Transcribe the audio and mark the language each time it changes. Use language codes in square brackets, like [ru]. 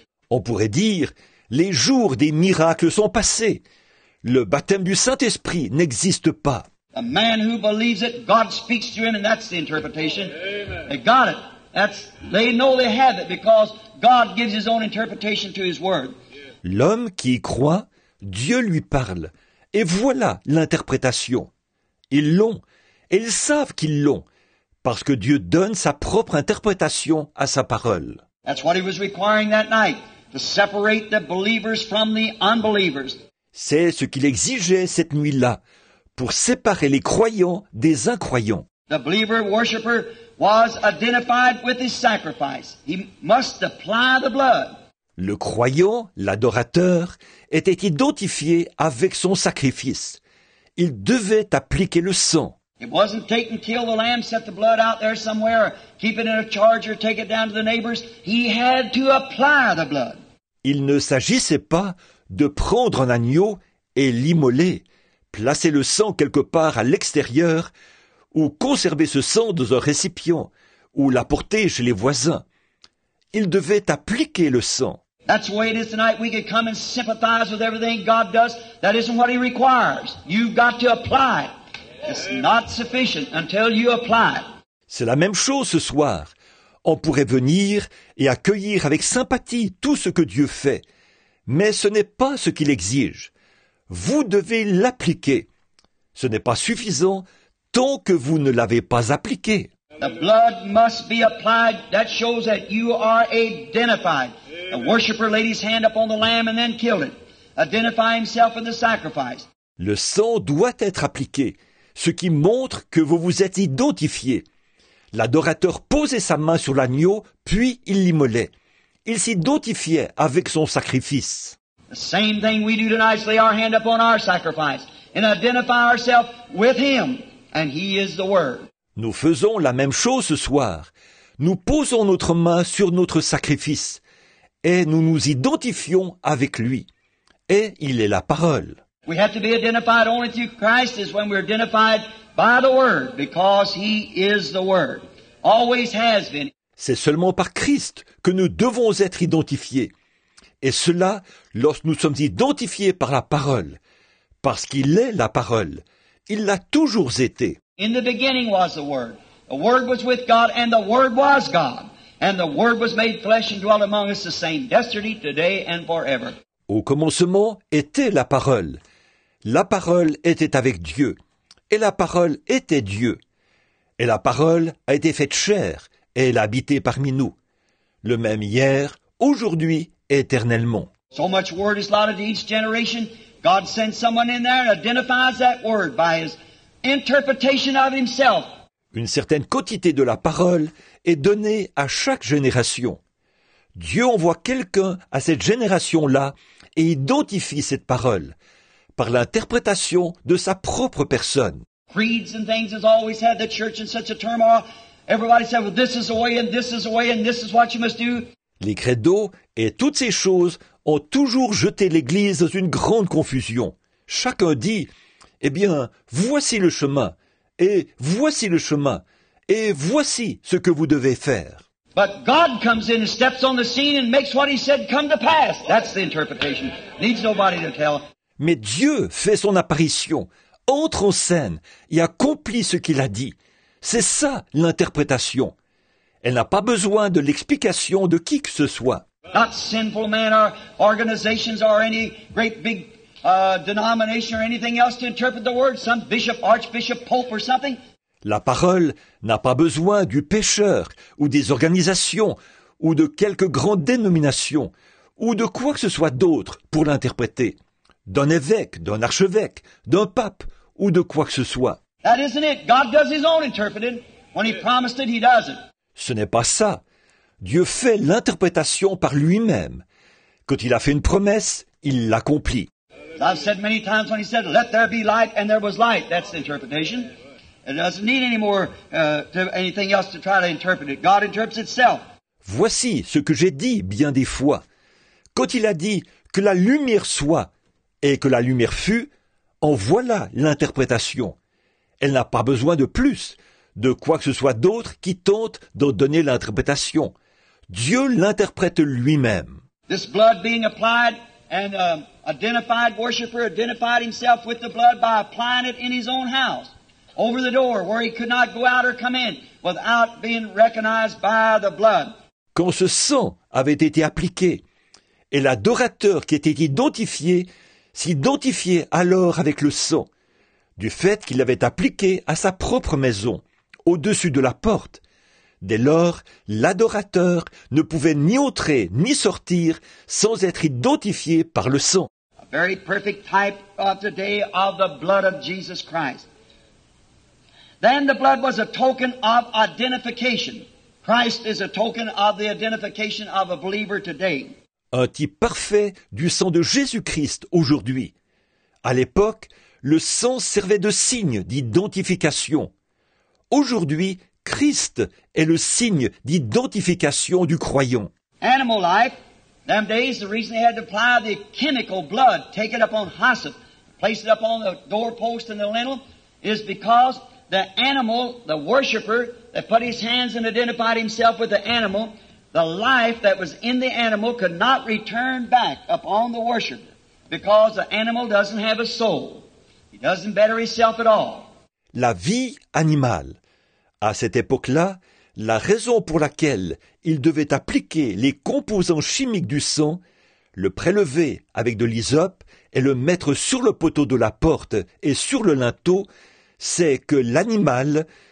[fr] On pourrait dire, les jours des miracles sont passés. Le baptême du Saint-Esprit n'existe pas. [en] A man who believes it, God speaks to him, and that's the interpretation. They got it. They know they have it because God gives his own interpretation to his word. [fr] L'homme qui y croit, Dieu lui parle, et voilà l'interprétation. Ils l'ont, et ils savent qu'ils l'ont, parce que Dieu donne sa propre interprétation à sa parole. [en] That's what he was requiring that night, to separate the believers from the unbelievers. [fr] C'est ce qu'il exigeait cette nuit-là, pour séparer les croyants des incroyants. [en] The believer worshipper was identified with his sacrifice. He must apply the blood. [fr] Le croyant, l'adorateur, était identifié avec son sacrifice. Il devait appliquer le sang. [en] It wasn't take and kill the lamb, set the blood out there somewhere, or keep it in a charger, take it down to the neighbors. He had to apply the blood. [fr] Il ne s'agissait pas de prendre un agneau et l'immoler, placer le sang quelque part à l'extérieur ou conserver ce sang dans un récipient ou l'apporter chez les voisins. Il devait appliquer le sang. [en] That's the way it is tonight. We could come and sympathize with everything God does. That isn't what he requires. You've got to apply. It's not sufficient until you apply. [fr] C'est la même chose ce soir. On pourrait venir et accueillir avec sympathie tout ce que Dieu fait. Mais ce n'est pas ce qu'il exige. Vous devez l'appliquer. Ce n'est pas suffisant tant que vous ne l'avez pas appliqué. [en] The blood must be applied. That shows that you are identified. The worshipper laid his hand upon the lamb and then killed it. Identify himself in the sacrifice. [fr] Le sang doit être appliqué, ce qui montre que vous vous êtes identifié. L'adorateur posait sa main sur l'agneau, puis il l'immolait. Il s'identifiait avec son sacrifice. [en] The same thing we do tonight is lay our hand upon our sacrifice and identify ourselves with him, and he is the word. [fr] Nous faisons la même chose ce soir. Nous posons notre main sur notre sacrifice et nous nous identifions avec lui. Et il est la parole. [en] We have to be identified only through Christ is when we're identified by the word, because he is the word. Always has been. [fr] C'est seulement par Christ que nous devons être identifiés. Et cela, lorsque nous sommes identifiés par la parole. Parce qu'il est la parole. Il l'a toujours été. [en] In the beginning was the word. The word was with God, and the word was God. And the word was made flesh and dwelt among us, the same yesterday, today, and forever. [fr] Au commencement était la parole. La parole était avec Dieu. Et la parole était Dieu. Et la parole a été faite chair. Et elle a habité parmi nous. Le même hier, aujourd'hui, éternellement. [en] So much word is allotted to each generation. God sends someone in there and identifies that word by his interpretation of himself. [fr] Une certaine quantité de la parole est donnée à chaque génération. Dieu envoie quelqu'un à cette génération-là et identifie cette parole par l'interprétation de sa propre personne. [en] Creeds and things has always had the church in such a turmoil. Everybody said, well, this is the way and this is the way and this is what you must do. [fr] Les credos et toutes ces choses ont toujours jeté l'Église dans une grande confusion. Chacun dit, eh bien, voici le chemin, et voici le chemin, et voici ce que vous devez faire. [en] But God comes in and steps on the scene and makes what he said come to pass. That's the interpretation. Needs nobody to tell. [fr] Mais Dieu fait son apparition, entre en scène et accomplit ce qu'il a dit. C'est ça l'interprétation. Elle n'a pas besoin de l'explication de qui que ce soit. [en] Not sinful men or organizations or any great big denomination or anything else to interpret the word. Some bishop, archbishop, pope or something. [fr] La parole n'a pas besoin du pécheur ou des organisations ou de quelque grande dénomination ou de quoi que ce soit d'autre pour l'interpréter, d'un évêque, d'un archevêque, d'un pape ou de quoi que ce soit. [en] That isn't it. God does his own interpreting. When he promised it, he does it. [fr] Ce n'est pas ça. Dieu fait l'interprétation par lui-même. Quand il a fait une promesse, il l'accomplit. [en] God said many times when he said, "Let there be light," and there was light. That's the interpretation. It doesn't need any more anything else to try to interpret it. God interprets itself. [fr] Voici ce que j'ai dit bien des fois. Quand il a dit que la lumière soit et que la lumière fut, en voilà l'interprétation. Elle n'a pas besoin de plus, de quoi que ce soit d'autre qui tente d'en donner l'interprétation. Dieu l'interprète lui-même. [en] This blood being applied and identified worshiper identified himself with the blood by applying it in his own house. Over the door, where he could not go out or come in without being recognized by the blood. [fr] Quand ce sang avait été appliqué, et l'adorateur qui était identifié s'identifiait alors avec le sang, du fait qu'il l'avait appliqué à sa propre maison, au-dessus de la porte. Dès lors, l'adorateur ne pouvait ni entrer ni sortir sans être identifié par le sang. [en] A very perfect type of today of the blood of Jesus Christ. Then the blood was a token of identification. Christ is a token of the identification of a believer today. [fr] Un type parfait du sang de Jésus-Christ aujourd'hui. À l'époque, le sang servait de signe d'identification. Aujourd'hui, Christ est le signe d'identification du croyant. [en] Animal life, them days, the reason they had to apply the chemical blood, take it upon hyssop, place it upon the doorpost and the lintel, is because the animal, the worshiper, that put his hands and identified himself with the animal, the life that was in the animal could not return back upon the worshiper, because the animal doesn't have a soul. He doesn't better himself at all. [fr] La vie animale. À cette époque-là, la raison pour laquelle il devait appliquer les composants chimiques du sang, le prélever avec de l'hysope et le mettre sur le poteau de la porte et sur le linteau, c'est que l'animal,